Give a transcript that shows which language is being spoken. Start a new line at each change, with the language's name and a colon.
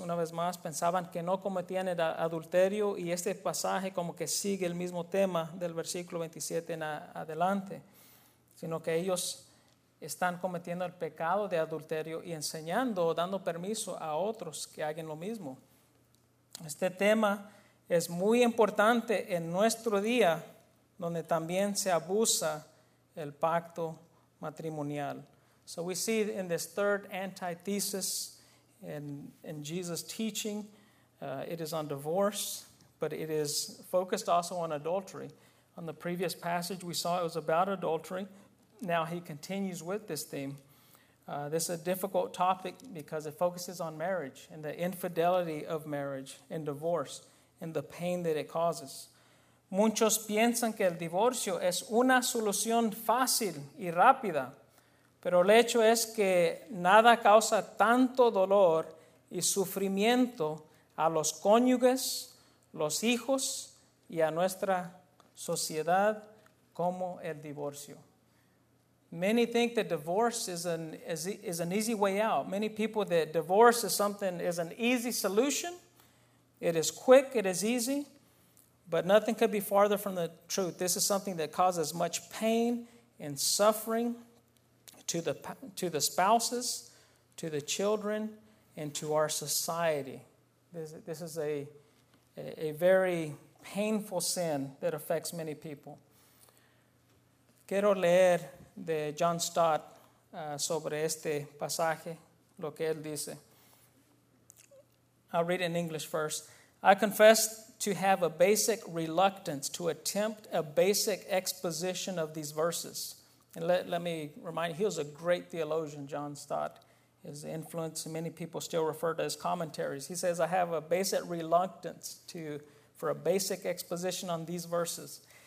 Spanish: Una vez más, pensaban que no cometían el adulterio, y este pasaje como que sigue el mismo tema del versículo 27 en adelante, sino que ellos están cometiendo el pecado de adulterio y enseñando o dando permiso a otros que hagan lo mismo. Este tema es muy importante en nuestro día, donde también se abusa el pacto matrimonial.
English: So we see in this third antithesis in Jesus' teaching, it is on divorce, but it is focused also on adultery. On the previous passage, we saw it was about adultery. Now he continues with this theme. This is a difficult topic because it focuses on marriage and the infidelity of marriage and divorce and the pain that it causes.
Spanish: Muchos piensan que el divorcio es una solución fácil y rápida, pero el hecho es que nada causa tanto dolor y sufrimiento a los cónyuges, los hijos y a nuestra sociedad como el divorcio.
English: Many think that divorce is an easy way out. Many people that divorce is something is an easy solution. It is quick, it is easy, but nothing could be farther from the truth. This is something that causes much pain and suffering to the spouses, to the children, and to our society. This is a very painful sin that affects many people.
Spanish: Quiero leer de John Stott sobre este pasaje, lo que él dice.
English: I'll read in English first. I confess to have a basic reluctance to attempt a basic exposition of these verses. And let me remind you, he was a great theologian, John Stott. His influence, many people still refer to his commentaries. He says, I have a basic reluctance for a basic exposition on these verses.